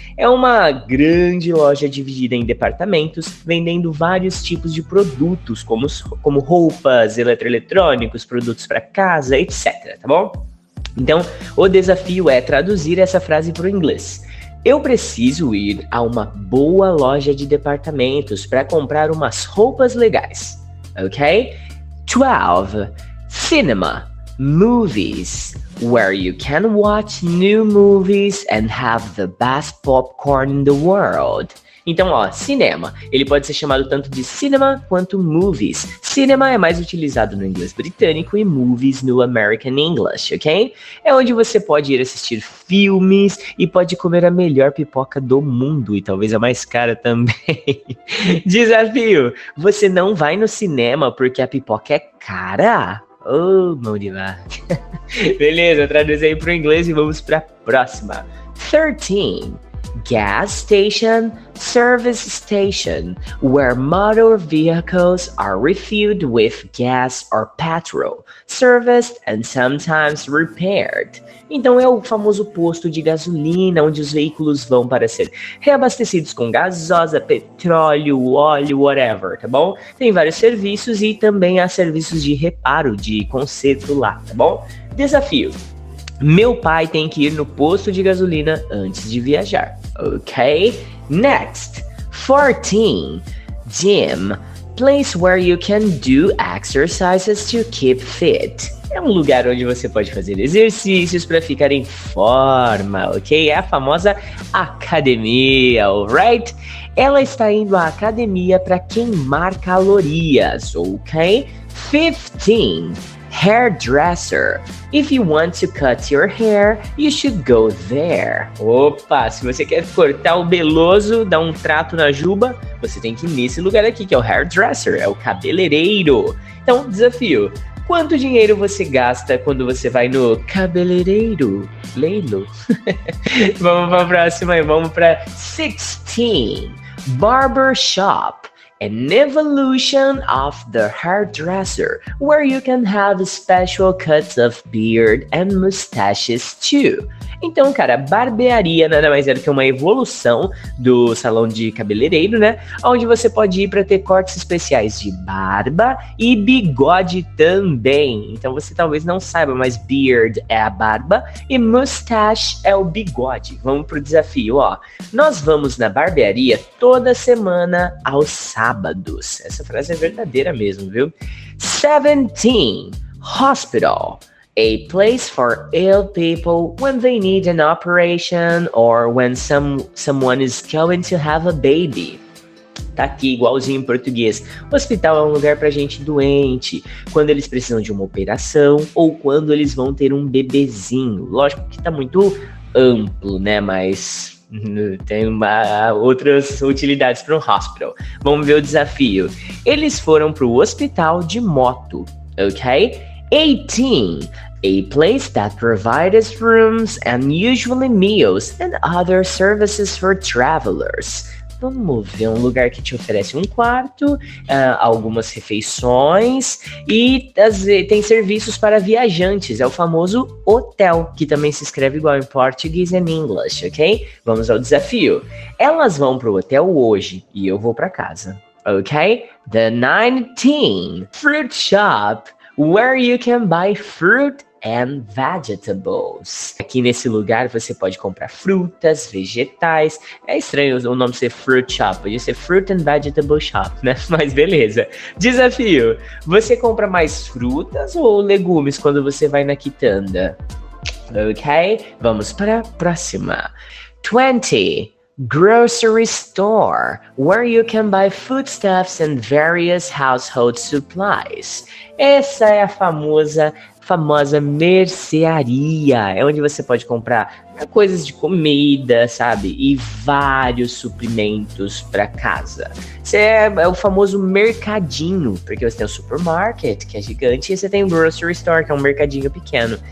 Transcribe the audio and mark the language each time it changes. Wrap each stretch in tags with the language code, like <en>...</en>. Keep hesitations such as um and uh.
<pt>É uma grande loja dividida em departamentos, vendendo vários tipos de produtos, como, como roupas, eletroeletrônicos, produtos para casa, etc. Tá bom? Então, o desafio é traduzir essa frase para o inglês. Eu preciso ir a uma boa loja de departamentos para comprar umas roupas legais. Ok? 12. Cinema.</pt> <en>Movies. Where you can watch new movies and have the best popcorn in the world.</en> <pt>Então, ó, cinema. Ele pode ser chamado tanto de cinema quanto movies. Cinema é mais utilizado no inglês britânico e movies no American English, ok? É onde você pode ir assistir filmes e pode comer a melhor pipoca do mundo e talvez a mais cara também. Desafio! Você não vai no cinema porque a pipoca é cara? Ô, oh, mão de vaca. Beleza, traduzi aí para o inglês e vamos para a próxima.</pt> <en>13 gas station, service station, where motor vehicles are refueled with gas or petrol, serviced and sometimes repaired.</en> <pt>Então é o famoso posto de gasolina onde os veículos vão para ser reabastecidos com gasolina, petróleo, óleo, whatever, tá bom? Tem vários serviços e também há serviços de reparo de conserto lá, tá bom? Desafio. Meu pai tem que ir no posto de gasolina antes de viajar.</pt> <en>Ok, Next, 14. Gym. Place where you can do exercises to keep fit.</en> <pt>É um lugar onde você pode fazer exercícios para ficar em forma, ok? É a famosa academia, alright? Ela está indo à academia para queimar calorias, ok?</pt> <en>15 hairdresser. If you want to cut your hair, you should go there.</en> <pt>Opa, se você quer cortar o beloso, dar um trato na juba, você tem que ir nesse lugar aqui que é o hairdresser, é o cabeleireiro. Então, desafio. Quanto dinheiro você gasta quando você vai no cabeleireiro? Leilo. vamos para a próxima e vamos para 16.</pt> <en>Barber shop. An evolution of the hairdresser, where you can have special cuts of beard and mustaches too.</en> <pt>Então, cara, barbearia nada mais é do que uma evolução do salão de cabeleireiro, né? Onde você pode ir para ter cortes especiais de barba e bigode também. Então, você talvez não saiba, mas beard é a barba e mustache é o bigode. Vamos para o desafio, ó. Nós vamos na barbearia toda semana ao sábado. Essa frase é verdadeira mesmo, viu? 17. Hospital.</pt> <en>A place for ill people when they need an operation or when some, someone is going to have a baby.</en> <pt>Tá aqui, igualzinho em português. O hospital é um lugar para gente doente, quando eles precisam de uma operação ou quando eles vão ter um bebezinho. Lógico que tá muito amplo, né? Mas tem uma, outras utilidades para um hospital. Vamos ver o desafio. Eles foram para o hospital de moto, ok?</pt> <en>18. A place that provides rooms and usually meals and other services for travelers.</en> <pt>Vamos é ver um lugar que te oferece um quarto, uh, algumas refeições e tem serviços para viajantes. É o famoso hotel, que também se escreve igual em português e em inglês, ok? Vamos ao desafio. Elas vão para o hotel hoje e eu vou para casa, ok?</pt> <en>The 19 Fruit Shop, where you can buy fruit and vegetables.</en> <pt>Aqui nesse lugar você pode comprar frutas, vegetais. É estranho o nome ser fruit shop, podia ser é fruit and vegetable shop, né? Mas beleza. Desafio: você compra mais frutas ou legumes quando você vai na quitanda? Ok, vamos para a próxima. 20.</pt> <en>Grocery store, where you can buy foodstuffs and various household supplies.</en> <pt>Essa é a famosa famosa mercearia. É onde você pode comprar coisas de comida, sabe? E vários suprimentos para casa. Você é, é, o famoso mercadinho, porque você tem o supermarket, que é gigante, e você tem o grocery store, que é um mercadinho pequeno.</pt>